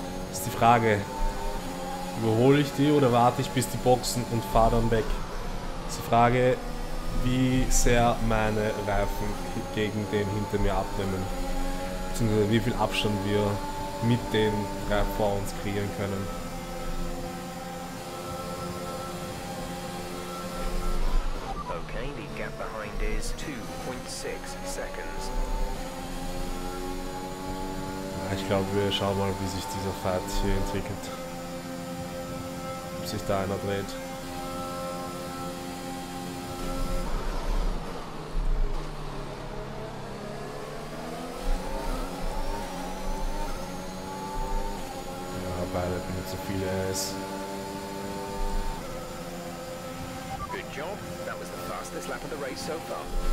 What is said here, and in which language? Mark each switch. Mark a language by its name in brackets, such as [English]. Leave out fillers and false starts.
[German] Das ist die Frage. Überhole ich die oder warte ich bis die boxen und fahre dann weg? Das ist die Frage, wie sehr meine Reifen gegen den hinter mir abnehmen. Beziehungsweise wie viel Abstand wir mit den Reifen vor uns kreieren können. [English] Okay, the gap behind is 2.6 seconds. [German] Ja, ich glaube, wir schauen mal, wie sich dieser Fight hier entwickelt. Sich da einer dreht. Ja, beide benutzen so viele S. [English] Good job. That was the fastest lap of the race so far.